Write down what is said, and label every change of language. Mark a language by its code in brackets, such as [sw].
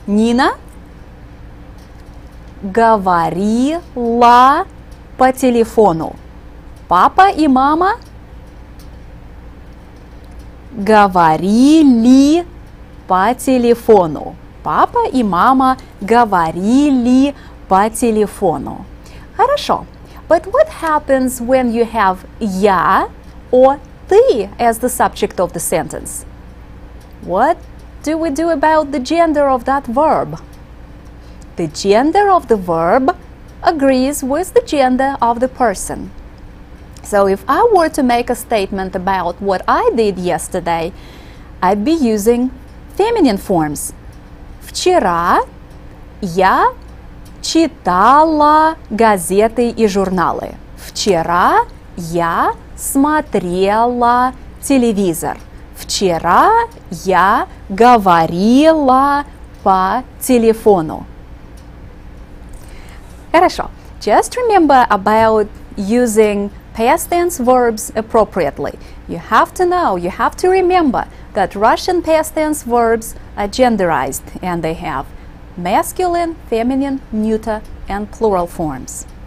[ru] Нина говорила по телефону. Папа и мама говорили по телефону. Папа и мама говорили по телефону. Хорошо. [en] But what happens when you have я or ты as the subject of the sentence? What do we do about the gender of that verb? The gender of the verb agrees with the gender of the person. So if I were to make a statement about what I did yesterday, I'd be using feminine forms. [ru] Вчера я читала газеты и журналы. Вчера я смотрела телевизор. Вчера я говорила по телефону. Хорошо. [en] Just remember about using past tense verbs appropriately. You have to know, you have to remember that Russian past tense verbs are genderized and they have masculine, feminine, neuter, and plural forms.